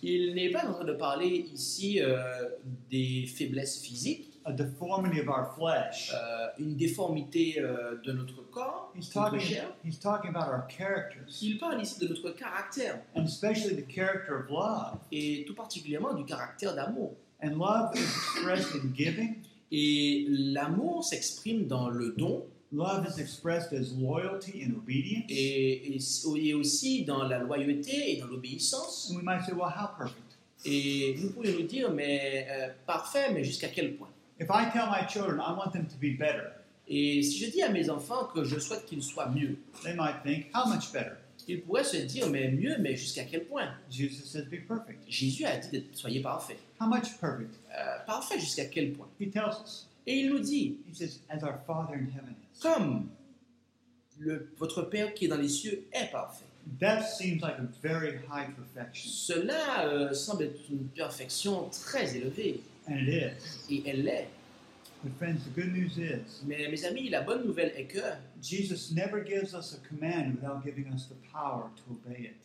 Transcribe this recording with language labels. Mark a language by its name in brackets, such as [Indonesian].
[French] Il n'est pas en train de parler ici des faiblesses physiques. [English] A deformity of our flesh. [French] Une déformité de notre corps. [English] He's talking about our characters. [French] Il parle ici de notre caractère. [English] And especially the character of love. [French] Et tout particulièrement du caractère d'amour. [English] And love is expressed in giving. [French] Et l'amour s'exprime dans le don. [English] Love is expressed as loyalty and obedience. [French] Et aussi dans la loyauté et dans l'obéissance. [English] And we might say, well, how perfect? [French] Et nous pourrions nous dire, mais parfait, mais jusqu'à quel point? [English] If I tell my children, I want them to be better. [French] Et si je dis à mes enfants que je souhaite qu'ils soient mieux, [English] they might think, how much better? [French] Ils pourraient se dire, mais mieux, mais jusqu'à quel point? [English] Jesus says, be perfect. [French] Jésus a dit, soyez parfait. [English] How much perfect? [French] Parfait jusqu'à quel point? [English] He tells us. [French] Et il nous dit, [English] he says, as our Father in heaven is. [French] Comme votre Père qui est dans les cieux est parfait. [English] That seems like a very high perfection. [French] Cela semble être une perfection très élevée. [English] And it is. [French] Et elle l'est. [English] But friends, the good news is. [French] Mais mes amis, la bonne nouvelle est que [English] Jesus never gives us a command without giving us the power to obey it.